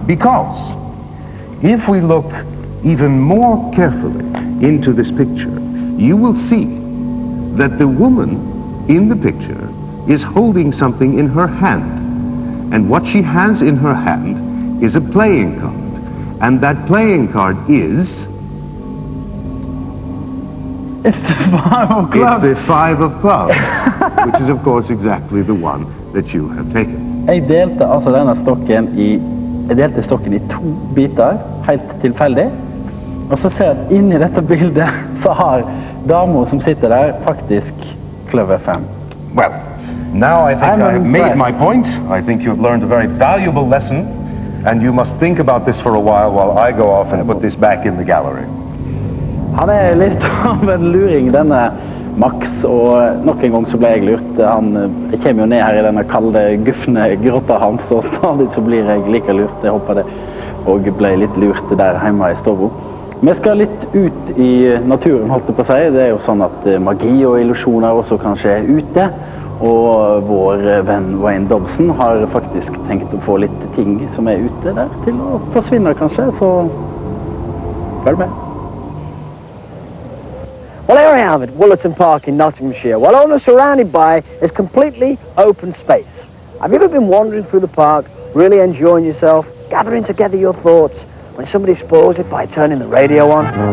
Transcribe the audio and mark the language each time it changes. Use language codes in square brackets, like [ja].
[en] Because if we look even more carefully into this picture, you will see that the woman in the picture is holding something in her hand. And what she has in her hand is a playing card. And that playing card is... It's the five of clubs. It's the five of clubs, which is of course exactly the one that you have taken. [no] Jeg delte altså denne stokken I, jeg delte stokken I to biter, helt tilfeldig. Og så ser jeg at inni dette bildet så har damen som sitter der faktisk kløver fem. [en] Well, now I think I have made my point. I think you have learned a very valuable lesson. And you must think about this for a while I go off and put this back in the gallery. [no] Han litt av en luring, denne Max, og nok en gang så ble jeg lurt. Han kommer jo ned her I denne kalde, guffende grotta hans, og stadig så blir jeg like lurt. Jeg håper det og ble litt lurt der hjemme I Stovo. Vi skal litt ut I naturen, holdt det på seg. Det jo sånn at magi og illusioner også kan skje ute. Og vår venn Wayne Dobson har faktisk tenkt å få litt ting som ute der til å forsvinne, kanskje. Så følg med. [en] Well, here I am at Woolerton Park in Nottinghamshire, while I'm surrounded by this completely open space. Have you ever been wandering through the park, really enjoying yourself, gathering together your thoughts, when somebody spoils it by turning the radio on?